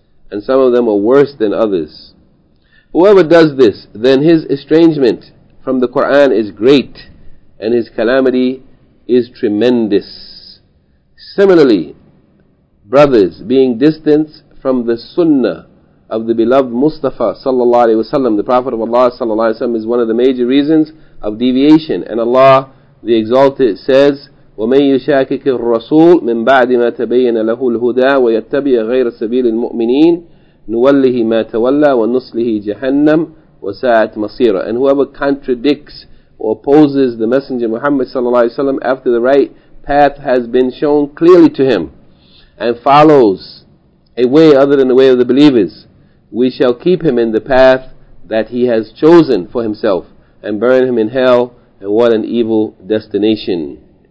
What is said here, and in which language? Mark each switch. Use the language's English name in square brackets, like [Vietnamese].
[English] And some of them are worse than others. Whoever does this, then his estrangement from the Qur'an is great, and his calamity is tremendous. Similarly, brothers being distanced from the Sunnah of the beloved Mustafa sallallahu alaihi wasallam, the Prophet of Allah sallallahu alaihi wasallam, is one of the major reasons of deviation. And Allah, the Exalted, says, [Arabic] وَمَن يُشَاكِكِ الرَّسُولَ مِن بَعْدِ مَا تَبَيَّنَ لَهُ الْهُدَى وَيَتَّبِعَ غَيْرَ سَبِيلِ الْمُؤْمِنِينَ نُوَلِّهِ مَا تَوَلَّى وَنُصْلِهِ جَهَنَّمَ وَسَاءَتْ مَصِيرًا. [English] And whoever contradicts or opposes the Messenger Muhammad sallallahu alaihi wasallam after the right path has been shown clearly to him, and follows a way other than the way of the believers, we shall keep him in the path that he has chosen for himself, and burn him in hell, and what an evil destination.